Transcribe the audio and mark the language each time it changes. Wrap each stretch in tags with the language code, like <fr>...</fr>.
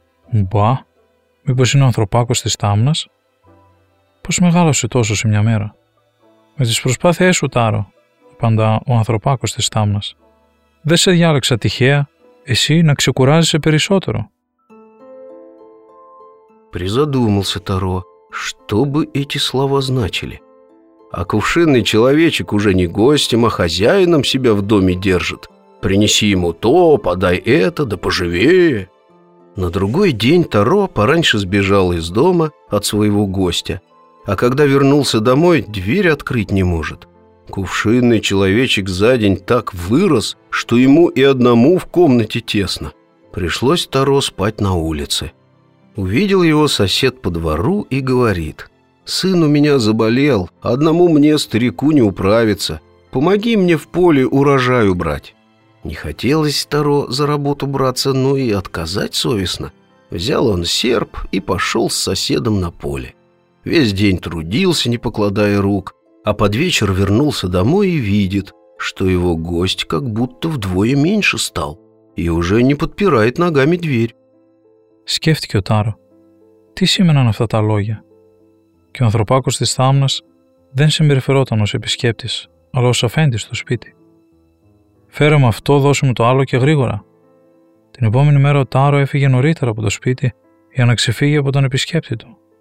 <el>«Μπα, μήπως είναι ο ανθρωπάκος της στάμνας? Πώς μεγάλωσε τόσο σε μια μέρα?» «Με τις προσπάθειές σου, Τάρο», απαντά ο ανθρωπάκος της στάμνας. «Δεν σε διάλεξα τυχαία, εσύ να ξεκουράζεσαι περισσότερο».</el> <ru>Призадумался Таро, что бы эти слова значили. А кувшинный человечек уже не гостем, а хозяином себя в доме держит. Принеси ему то, подай это, да поживее. На другой день Таро пораньше сбежал из дома от своего гостя. а когда вернулся домой, дверь открыть не может. Кувшинный человечек за день так вырос, что ему и одному в комнате тесно. Пришлось Таро спать на улице. Увидел его сосед по двору и говорит: «Сын у меня заболел, одному мне, старику, не управиться. Помоги мне в поле урожай убрать». Не хотелось Таро за работу браться, но и отказать совестно. Взял он серп и пошел с соседом на поле. Весь день трудился, не покладая рук, а под вечер вернулся домой и видит, что его гость как будто вдвое меньше стал и уже не подпирает ногами дверь.</ru> <el>Скептик ο Таро, τι σήμαιναν αυτά τα λόγια? Και ο ανθρωπάκος της θάμνας δεν συμπεριφερόταν ως επισκέπτης, αλλά ως αφέντης στο σπίτι. Φέρε μου αυτό, δώσε μου το άλλο και γρήγορα. Την επόμενη μέρα ο Τάρο έφυγε νωρίτερα από το σπίτι για να ξεφύγει από τον επισκέπτη του.</el>